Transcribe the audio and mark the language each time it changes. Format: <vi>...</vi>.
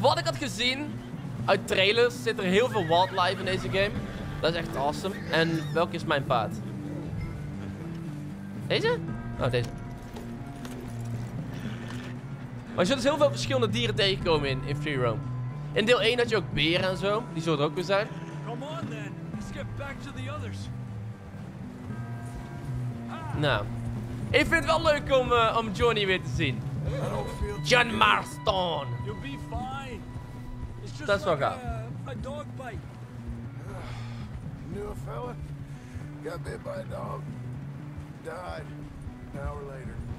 <nl>Wat ik had gezien uit trailers, zit er heel veel wildlife in deze game. Dat is echt awesome. En welke is mijn paard? Deze? Oh, deze. Maar je zult dus heel veel verschillende dieren tegenkomen in Free Roam. In deel 1 had je ook beren en zo, die zullen er ook weer zijn.</nl> <en>Come on then, let's get back to the others.</en> <nl>Nou, ik vind het wel leuk om Johnny weer te zien. John Marston.</nl> <en>You'll be fine. It's just</en> <nl>Dat is</nl> <en>like</en> <nl>wel gaaf.</nl> <en>A dog bite. You knew a fella? Got bit by a dog. Died an hour later.</en>